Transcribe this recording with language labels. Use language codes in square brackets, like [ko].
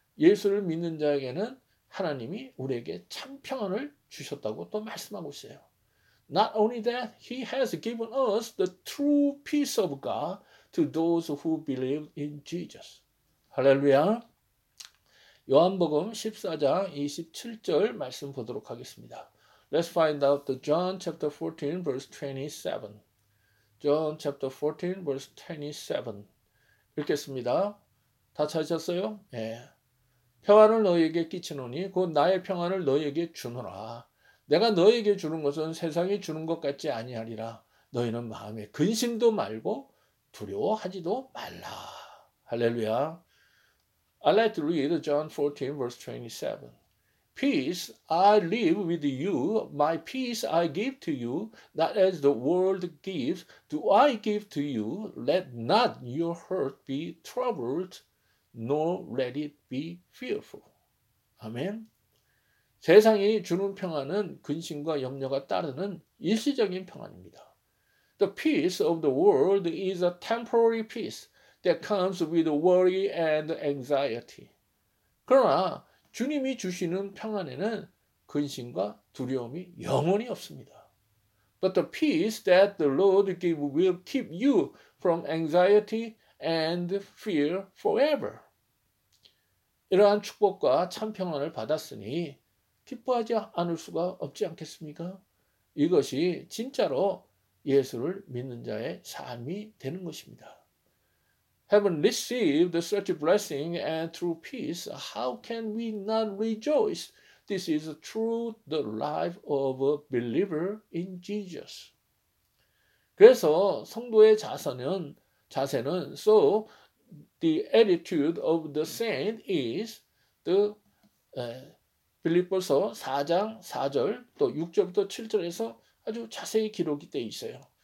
[ko] 예수를 믿는 자에게는 하나님이 우리에게 참 평안을 주셨다고 또 말씀하고 있어요. [en] Not only that, he has given us the true peace of God to those who believe in Jesus. [ko] 할렐루야. 요한복음 14장 27절 말씀 보도록 하겠습니다. [en] Let's find out the John chapter 14 verse 27. John chapter 14 verse 27. 읽겠습니다. 다 찾으셨어요? 예. [ko] 평안을 너희에게 끼치노니 곧 나의 평안을 너희에게 주노라. 내가 너희에게 주는 것은 세상이 주는 것 같지 아니하리라. 너희는 마음에 근심도 말고 두려워하지도 말라. 할렐루야. [en] I'd like to read John 14 verse 27. Peace I leave with you, my peace I give to you, not as the world gives, do I give to you. Let not your heart be troubled, nor let it be fearful. Amen. [ko] 세상이 주는 평안은 근심과 염려가 따르는 일시적인 평안입니다. [en] The peace of the world is a temporary peace that comes with worry and anxiety. [ko] 그러나 주님이 주시는 평안에는 근심과 두려움이 영원히 없습니다. [en] But the peace that the Lord gives will keep you from anxiety and fear forever. [ko] 이러한 축복과 참 평안을 받았으니 기뻐하지 않을 수가 없지 않겠습니까? 이것이 진짜로 예수를 믿는 자의 삶이 되는 것입니다. [en] Having received such a blessing and true peace, how can we not rejoice? This is true the life of a believer in Jesus. [ko] 그래서 성도의 자세는 [en] so the attitude of the saint is the [ko] 빌립보서 4장 4절 또 6절부터 7절에서 아주 자세히 기록이 되어 있어요.